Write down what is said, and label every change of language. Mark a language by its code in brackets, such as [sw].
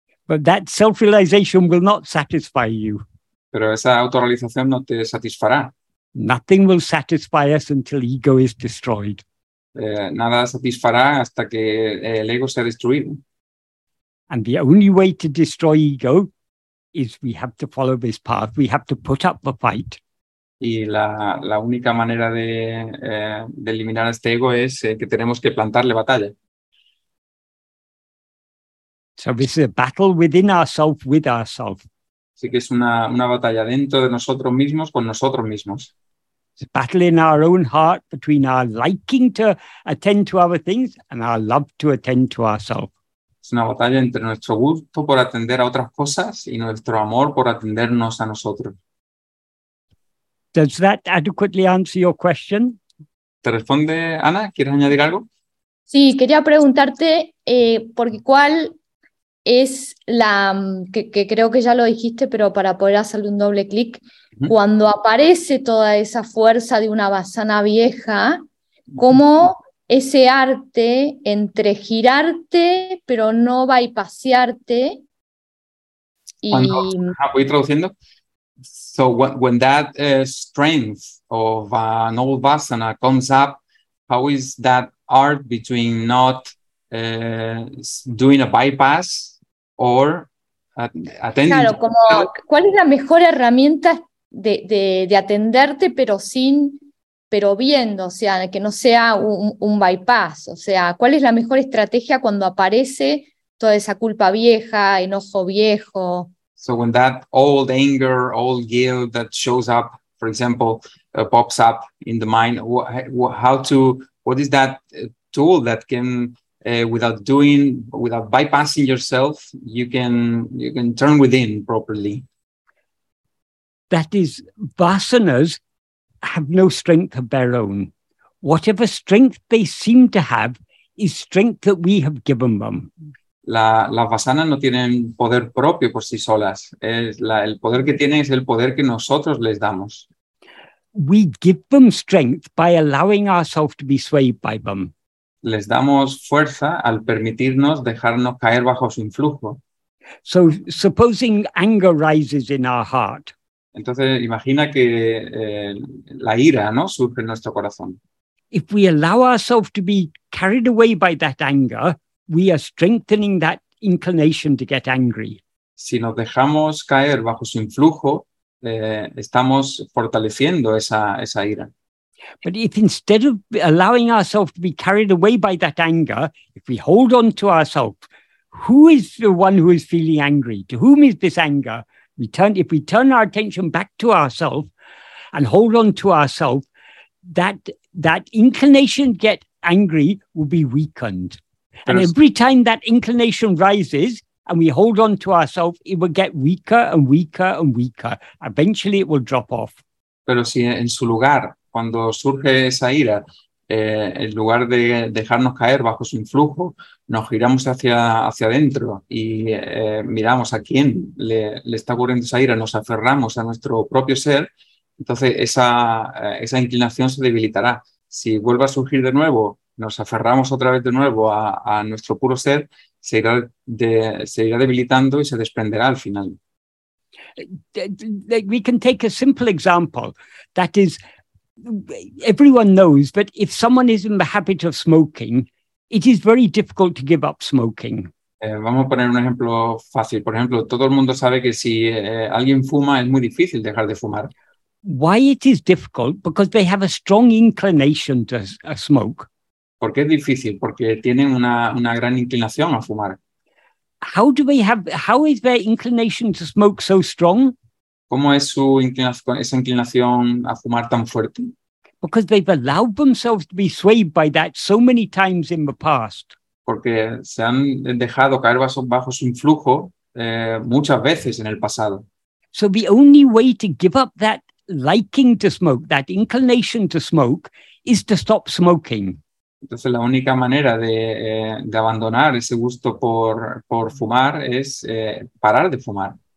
[en] But that self-realization will not satisfy you. [es] Pero esa autorrealización no te satisfará. [en] Nothing will satisfy us until ego is destroyed. [es] Nada satisfará hasta que el ego sea destruido. [en] And the only way to destroy ego is we have to follow this path. We have to put up the fight. [es] Y la única manera de eliminar este ego es que tenemos que plantarle batalla. [en] So this is a battle within ourselves with ourselves. [es] Así que es una batalla dentro de nosotros mismos con nosotros mismos. [en] It's a battle in our own heart between our liking to attend to other things and our love to attend to ourselves. [es] Es una batalla entre nuestro gusto por atender a otras cosas y nuestro amor por atendernos a nosotros. [en] Does that adequately answer your question? [es] ¿Te responde, Ana? ¿Quieres añadir algo? Sí, quería preguntarte porque cuál es la que creo que ya lo dijiste, pero para poder hacerle un doble clic, cuando aparece toda esa fuerza de una vasana vieja, ¿cómo ese arte entre girarte pero no bypassarte? Y voy traduciendo. [en] So when that strength of an old vasana comes up, how is that art between not doing a bypass or attending? [es] Claro, como ¿cuál es la mejor herramienta de atenderte pero viendo, o sea, que no sea un bypass? O sea, ¿cuál es la mejor estrategia cuando aparece toda esa culpa vieja, enojo viejo? [en] So when that old anger, old guilt that shows up, for example, pops up in the mind, what is that tool that can without bypassing yourself, you can turn within properly? That is, vasanas have no strength of their own. Whatever strength they seem to have is strength that we have given them. [es] Las vasanas no tienen poder propio por sí solas. El poder que tienen es el poder que nosotros les damos. [en] We give them strength by allowing ourselves to be swayed by them. [es] Les damos fuerza al permitirnos dejarnos caer bajo su influjo. [en] So, supposing anger rises in our heart. [es] Entonces, imagina que la ira, ¿no?, surge en nuestro corazón. [en] If we allow ourselves to be carried away by that anger, we are strengthening that inclination to get angry. [es] Si nos dejamos caer bajo su influjo, estamos fortaleciendo esa ira. [en] But if instead of allowing ourselves to be carried away by that anger, if we hold on to ourselves, who is the one who is feeling angry? To whom is this anger? If we turn our attention back to ourselves and hold on to ourselves, that inclination to get angry will be weakened. And every time that inclination rises and we hold on to ourselves, it will get weaker and weaker and weaker. Eventually it will drop off. [es] Pero si en su lugar, cuando surge esa ira, en lugar de dejarnos caer bajo su influjo, nos giramos hacia adentro y miramos a quién le está ocurriendo esa ira, nos aferramos a nuestro propio ser, entonces esa inclinación se debilitará. Si vuelve a surgir de nuevo, nos aferramos otra vez de nuevo a nuestro puro ser, se irá debilitando y se desprenderá al final. [en] We can take a simple example, that is, everyone knows that if someone is in the habit of smoking, it is very difficult to give up smoking. [es] Vamos a poner un ejemplo fácil. Por ejemplo, todo el mundo sabe que si alguien fuma, es muy difícil dejar de fumar. [en] Why it is difficult? Because they have a strong inclination to smoke. [es] ¿Por qué es difícil? Porque tienen una gran inclinación a fumar. [en] How is their inclination to smoke so strong? [es] ¿Cómo es esa inclinación a fumar tan fuerte? [en] Because they've allowed themselves to be swayed by that so many times in the past. [es] Porque se han dejado caer bajo su influjo muchas veces en el pasado. [en] So the only way to give up that liking to smoke, that inclination to smoke, is to stop smoking. [es] Entonces la única manera de abandonar ese gusto por fumar es parar de fumar.